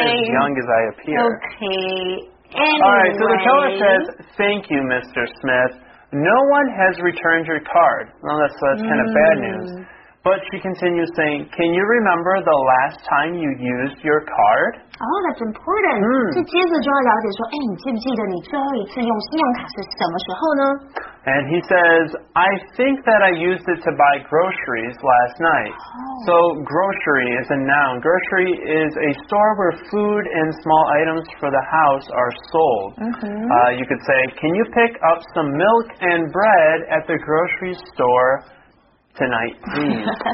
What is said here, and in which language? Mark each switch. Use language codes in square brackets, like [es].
[en] And not as young as I appear. Okay. Anyway. All right. So the teller says, "Thank you, Mr. Smith. No one has returned your card." Well, that's kind of bad news. But she continues saying, can you remember the last time you used your card? Oh, that's important. [zh] 就接着就要了解说，哎，你记不记得你最后一次用信用卡是什么时候呢？ [en] And he says, I think that I used it to buy groceries last night. So grocery is a noun. Grocery is a store where food and small items for the house are sold. You could say, can you pick up some milk and bread at the grocery store? Tonight, please.